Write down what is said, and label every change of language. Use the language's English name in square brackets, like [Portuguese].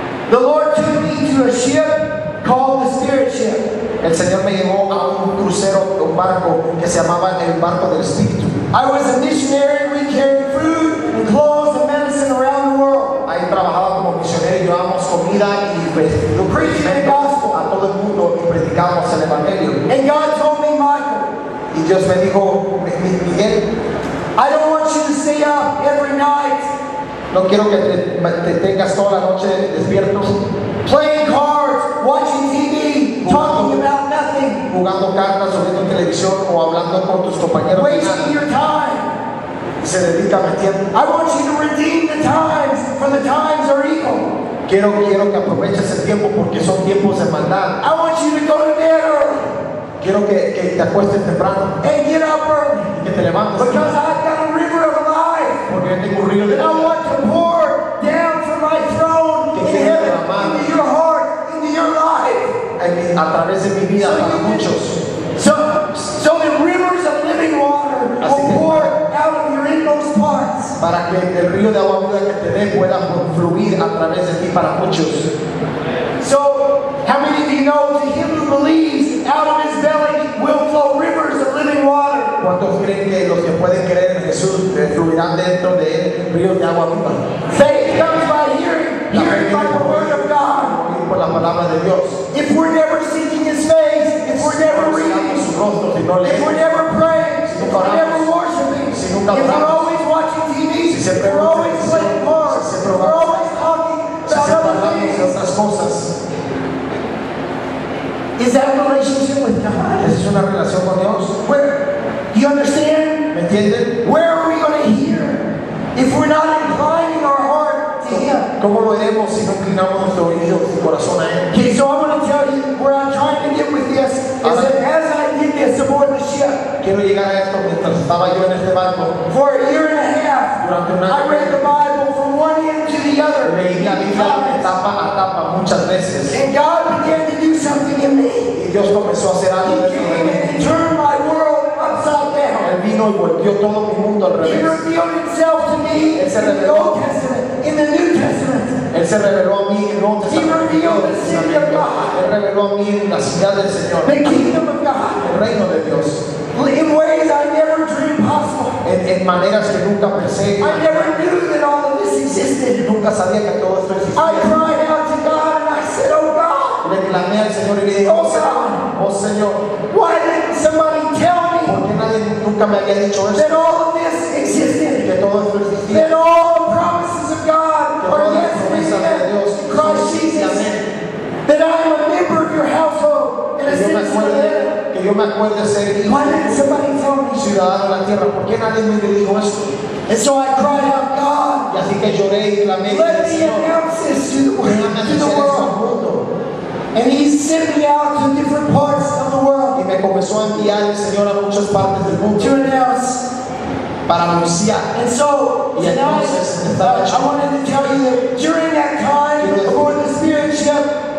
[English] The Lord took me to a ship called the Spirit Ship. [Spanish] El Señor me llevó a un crucero, un barco que se llamaba el barco del Espíritu. [English] I was a missionary. We carried food and clothes and medicine around the world. [Spanish] Ahí trabajaba como misionero. Llevábamos comida y predicamos el evangelio. [English] And God told me, Michael. [Spanish] Y Dios me dijo, Miguel. [English] I don't want you to stay up every night. [Spanish] No quiero que te tengas toda la noche despierto. [English] Playing cards, watching TV, jugando, talking about nothing. [Spanish] Jugando cartas, viendo televisión o hablando con tus compañeros. [English] Wasting your time. [Spanish] Se dedica a mi tiempo. [English] I want you to redeem the times, for the times are evil. [Spanish] Quiero que aproveches el tiempo porque son tiempos de maldad. [English] I want you to go to bed early. [Spanish] Quiero que te acuestes temprano. [English] And get up early. [Spanish] Y que te levantes. [English] Because I've got a river of life. [Spanish] Porque tengo un río de vida. [English] I want to pour down from my throne in heaven, into your heart, into your life. [Spanish] A través de mi vida so para muchos. [English] So the rivers of living water will pour out of your inmost parts. [Spanish] Para que el río de agua viva que te dé pueda fluir a través de ti para muchos. [English] So, how many of you know that him who believes out of his belly will flow rivers of living water? [Spanish] ¿Cuántos creen que los que pueden creer en Jesús fluirán dentro de él ríos de agua viva? [English] Faith comes by hearing by the word of God. [Spanish] Por la palabra de Dios. [English] If we're never seeking his face, if we're never reading, if we're never praying, if we're never worshiping, if we're always watching TV, if we're always playing cards, if we're always talking about other things, is that a relationship with God? [Spanish] ¿Es una relación con Dios? [English] Where, do you understand? [Spanish] ¿Me entienden? [English] Where are we going to hear if we're not inclining our heart to him? [Spanish] ¿Cómo lo haremos si no inclinamos nuestro oído y corazón a él? [English] Okay, so I want to tell you where I'm trying to get with this. As I did this aboard the ship. [Spanish] Quiero llegar a esto mientras estaba yo en este barco. [English] For a year and a half. [Spanish] Durante un año. [English] I read the Bible from one end to the other. [Spanish] Leí la Biblia de tapa a tapa muchas veces. [English] And God began to do something in me. [Spanish] Y Dios comenzó a hacer algo. [English] He came and turned my world upside down. [Spanish] Él vino y volvió todo mi mundo al revés. [English] He revealed himself to me. [Spanish] Él se reveló. [English] In the Old Testament, in the New Testament. [Spanish] Él se reveló a mí en el Nuevo Testamento. Él reveló a mí en la ciudad del Señor. [English] The kingdom of God. [Spanish] El reino de Dios. [English] In ways I never dreamed possible. [Spanish] En maneras que nunca pensé. [English] I never knew that all of this existed. [Spanish] Nunca sabía que todo esto existía. [English] I cried out to God and I said, oh God. [Spanish] Le clamé al Señor y le dije, [English] oh God. [Spanish] Oh Señor. [English] Why didn't somebody tell me? [Spanish] Porque nadie nunca me había dicho eso. [English] That all of this existed. [Spanish] Que todo esto existía. [English] That all the promises of God are yes and amen. Christ Jesus. That I am a member of your household in a city. [Spanish] Que yo me acuerde ser hijo, ciudadano de la tierra. ¿Por qué nadie me dijo esto? [English] And so I cried out, God. [Spanish] Y así que lloré y clamé. [English] Let me announce this to the world. To the world. And he sent me out to different parts of the world. [Spanish] Y me comenzó a enviar el Señor a muchas partes del mundo. [English] To announce. [Spanish] Para anunciar. [English] And so, [Spanish] y [English] tonight, I wanted to tell you that during that time, before the Spirit ship.